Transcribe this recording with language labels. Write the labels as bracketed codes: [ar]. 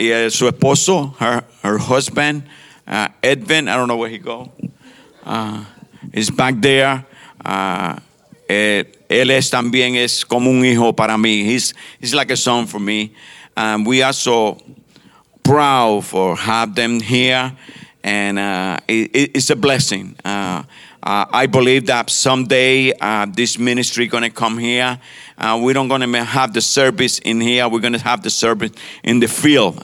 [es] Su esposo, [en] her husband, Edvin, I don't know where he go, is back there. [es] Él es también es como un hijo para mí. [en] He's like a son for me. We are so proud for have them here, and it's a blessing. I believe that someday this ministry gonna come here. We don't gonna have the service in here. We're gonna have the service in the field.